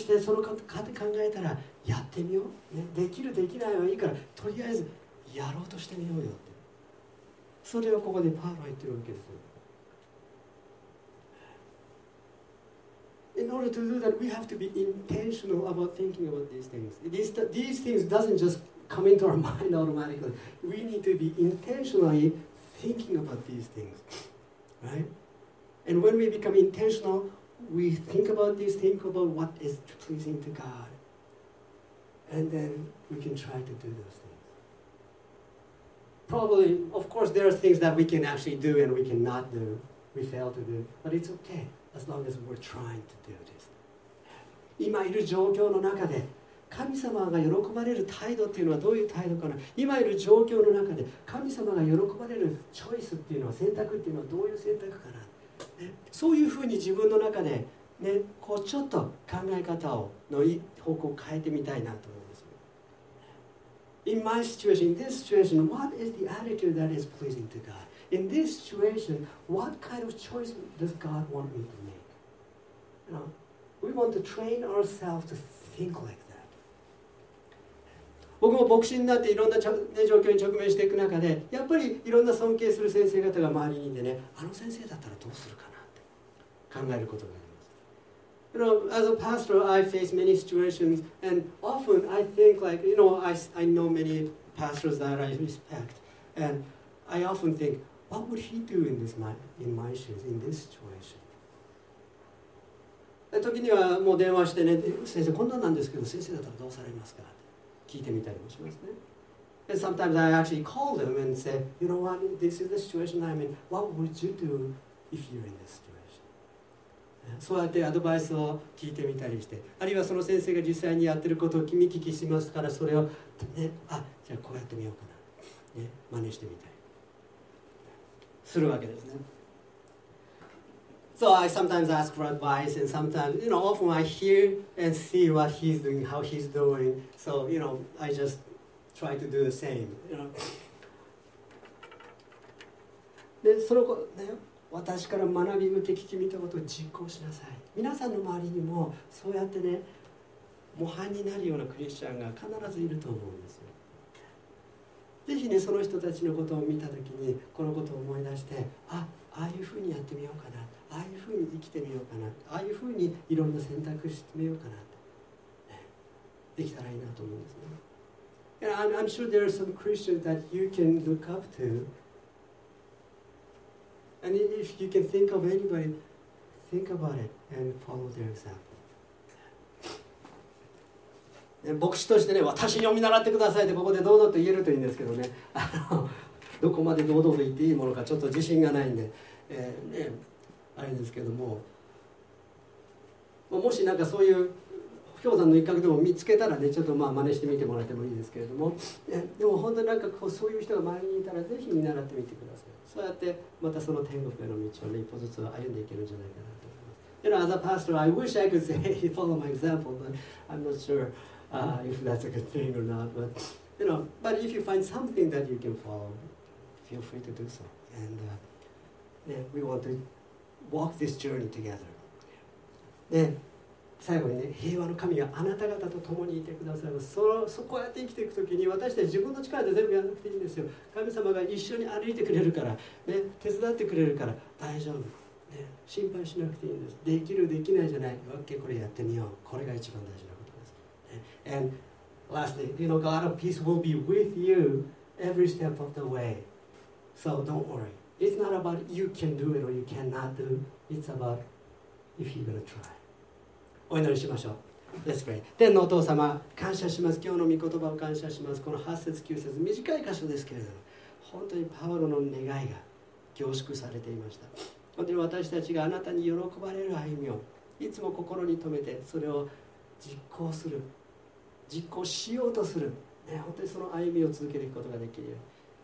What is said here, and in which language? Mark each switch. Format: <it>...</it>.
<ja>そしてそのことを考えたらやってみよう、ね、できるできないはいいからとりあえずやろうとしてみようよって、それをここでパウロは言ってるわけですよ。</ja> <en>In order to do that, we have to be intentional about thinking about these things. These things doesn't just come into our mind automatically. We need to be intentionally thinking about these things, right? And when we become intentional, we think about these, think about what is pleasing to God. And then we can try to do those things. Probably, of course, there are things that we can actually do and we cannot do, we fail to do, but it's okay. As long as we're trying to do this.</en> <ja>今いる状況の中で神様が喜ばれる態度っていうのはどういう態度かな。今いる状況の中で神様が喜ばれるチョイスっていうのは選択っていうのはどういう選択かな、ね、そういうふうに自分の中で、ね、こうちょっと考え方をの方向を変えてみたいなと思うんですよ。</ja> <en>In my situation, in this situation, what is the attitude that is pleasing to God? In this situation, what kind of choice does God want me to make? You know, we want to train ourselves to think like that.</en> <ja>僕も牧師になっていろんな、ね、状況に直面していく中で、やっぱりいろんな尊敬する先生方が周りにいてね、あの先生だったらどうするかなって考えることがあります。</ja> <en>You know, as a pastor, I face many situations, and often I think like, you know, I know many pastors that I respect, and I often think, what would he do in this my shoes, in this situation?</en> <ja>時にはもう電話してね、先生こんなんなんですけど、先生だったらどうされますかって聞いてみたりもしますね。</ja> <en>And sometimes I actually call them and say, you know what, this is the situation I'm in. What would you do if you're in this situation?</en> <ja>そうやってアドバイスを聞いてみたりして、あるいはその先生が実際にやってることを気に聞きしますから、それをね、あ、じゃあこうやってみようかな。ね、真似してみたり。するわけですね。</ja> <en>So I sometimes ask for advice, and sometimes, you know, often I hear and see what he's doing, how he's doing. So, you know, I just try to do the same, you know.</en> <ja>で、私から学び向け聞き見たことを実行しなさい。皆さんの周りにも、そうやってね、模範になるようなクリスチャンが必ずいると思うんですよ。ぜひね、その人たちのことを見たときに、このことを思い出して、あ、ああいうふうにやってみようかな。ああいうふうに生きてみようかな、ああいうふうにいろんな選択してみようかなって、ね、できたらいいなと思うんですね。</ja> <en>And I'm sure there are some Christians that you can look up to. And if you can think of anybody, think about it and follow their example.</en> <ja>牧師としてね、私にお見習ってくださいってここで堂々と言えるといいんですけどね。どこまで堂々と言っていいものかちょっと自信がないんで、ね。あれですけども、もしなんかそういう氷山の一角でも見つけたらね、ちょっとまあ真似してみてもらってもいいですけれども、でも本当になんかこうそういう人が周りにいたらぜひ見習ってみてください。そうやってまたその天国への道を、ね、一歩ずつ歩んでいけるんじゃないかなと思います。</ja> <en>You know, as a pastor, I wish I could say follow my example, but I'm not sure if that's a good thing or not. But you know, but if you find something that you can follow, feel free to do so. And yeah, we want to. Walk this journey together.</en> <ja>で、最後にね、平和の神があなた方と共にいてくださいます。そこをやって生きていくときに、私たち自分の力で全部やらなくていいんですよ。神様が一緒に歩いてくれるから、ね、手伝ってくれるから大丈夫、ね。心配しなくていいんです。できる、できないじゃない。OK、これやってみよう。これが一番大事なことです。ね、</ja> <en>And lastly, you know, God of peace will be with you every step of the way. So don't worry. It's not about you can do it or you cannot do. It's about if you're going to try.</en> <ja>お祈りしましょう。</ja> <en>Let's pray.</en> <ja>天のお父様、感謝します。今日の御言葉を感謝します。この8節、9節、短い箇所ですけれども、本当にパウロの願いが凝縮されていました。本当に私たちがあなたに喜ばれる歩みを、いつも心に留めて、それを実行する、実行しようとする、ね、本当にその歩みを続けていくことができるように。</ja>